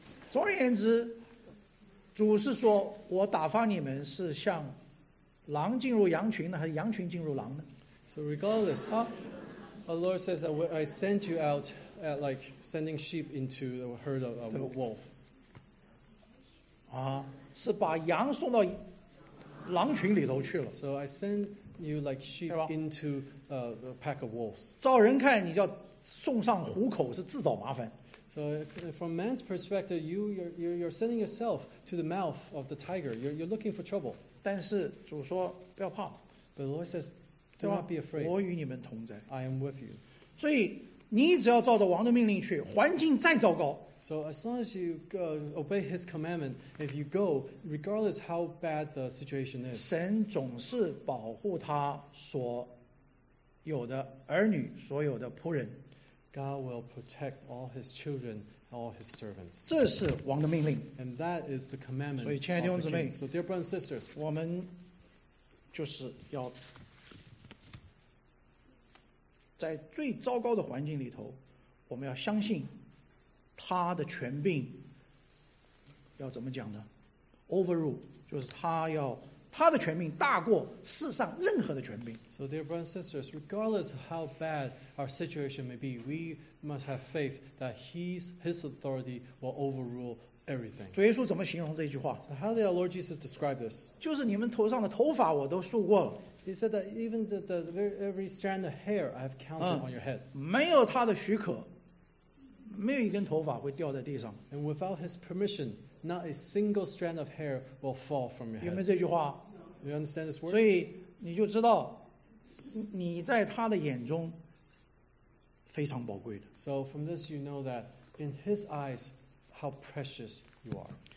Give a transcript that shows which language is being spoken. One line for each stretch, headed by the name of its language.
Chinese: 总而言之，主是说我打发你们是像。狼进入羊群呢，还是羊群进入狼呢
English: ？So regardless, the Lord says that I sent you out at like sending sheep into a herd of a wolf.
Chinese: 啊，是把羊送到狼群里头去了。
English: So I send you like sheep into a pack of wolves.
Chinese: 照人看，你叫送上虎口是自找麻烦。
English: So from man's perspective, you're sending yourself to the mouth of the tiger. You're looking for trouble.
Chinese: 但是主说不要怕。
English: But the Lord says, do not be afraid.
Chinese: 我与你们同在。
English: I am with you.
Chinese: 所以你只要照着王的命令去，环境再糟糕。
English: So as long as you obey His commandment, if you go, regardless how bad the situation is,
Chinese: 神总是保护他所有的儿女，所有的仆人。
English: God will protect all His children, all His servants.
Chinese: 这是王的命令。
English: And that is the commandment.
Chinese: 所以，亲爱的弟兄姊妹
English: ，So dear brothers and sisters,
Chinese: 我们就是要在最糟糕的环境里头，我们要相信他的权柄。要怎么讲呢 ？Overrule， 就是他要。他的权柄大过世上任何的权柄。
English: So, dear brothers and sisters, regardless of how bad our situation may be, we must have faith that his authority will overrule everything.
Chinese: 主耶稣怎么形容这句话
English: ？So, how did our Lord Jesus describe this?
Chinese: 就是你们头上的头发我都数过了。
English: He said that even every strand of hair I have counted on your head.
Chinese: 没有他的许可，没有一根头发会掉在地上。
English: And without his permission. Not a single strand of hair will fall from your head.
Chinese: 有没有这句话
English: ？You understand this word?
Chinese: 所以你就知道，你在他的眼中非常宝贵的。
English: So from this, you know that in his eyes, how precious you are.